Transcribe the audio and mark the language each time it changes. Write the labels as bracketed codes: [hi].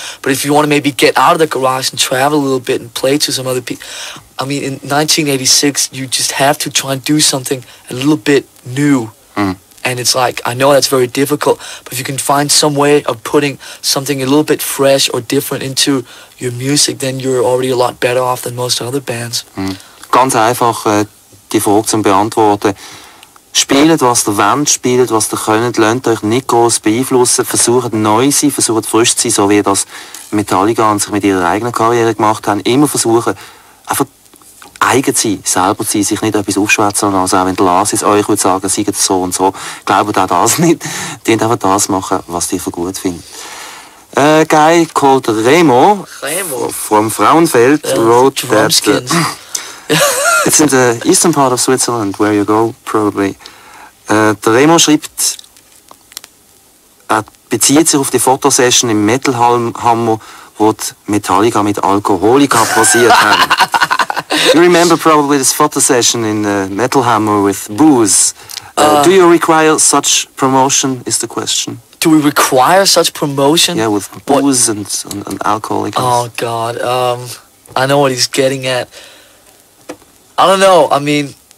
[en] But if you want to maybe get out of the garage and travel a little bit and play to some other people, I mean, in 1986, you just have to try and do something a little bit new. And it's like, I know that's very difficult, but if you can find some way of putting something a little bit fresh or different into your music, then you're already a lot better off than most other bands. [de] Ganz einfach, die Frage zum Beantworten. Spielt, was ihr wollt, spielt, was ihr könnt, lasst euch nicht gross beeinflussen, versucht neu zu sein, versucht frisch zu sein, so wie das Metallica und sich mit ihrer eigenen Karriere gemacht haben. Immer versuchen, einfach eigen zu sein, selber zu sein, sich nicht etwas aufschwätzen, also auch wenn Lars es euch würde sagen, seid so und so, glaubt auch das nicht. Die müsst einfach das machen, was ihr für gut findet. [en] A guy called Remo from Frauenfeld wrote that... It's in the eastern part of Switzerland, where you go, probably. [de] Der Remo schreibt, er bezieht sich auf die Fotosession im Metalhammer, wo Metallica mit Alkoholika posiert haben. [en] You remember probably this photosession in the Metalhammer with booze. Do you require such promotion, is the question. Do we require such promotion? Yeah, with booze and alcoholics. Oh, God. I know what he's getting at. I don't know, I mean...